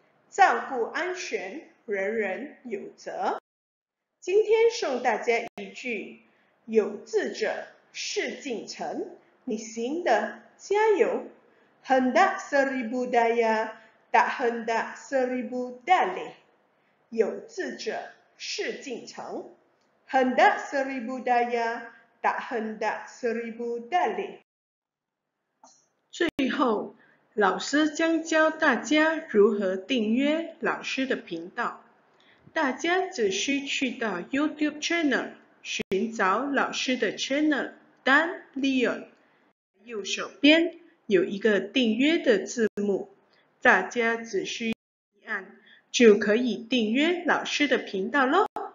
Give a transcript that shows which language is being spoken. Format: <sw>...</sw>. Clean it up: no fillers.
<zh>照顾安全, 人人有责. 今天送大家一句, 有志者事竟成, 你行的加油,</zh> <ms>hendak seribu daya, tak hendak seribu dalih.</ms> <zh>有志者事竟成,</zh> <ms>hendak seribu daya, tak hendak seribu dalih.</ms> <zh>最后, 老师将教大家如何订阅老师的频道, 大家只需去到 YouTube Channel, 寻找老师的channel Dan Leon, 右手边有一个订阅的字幕, 大家只需按 就可以订阅老师的频道咯.</zh>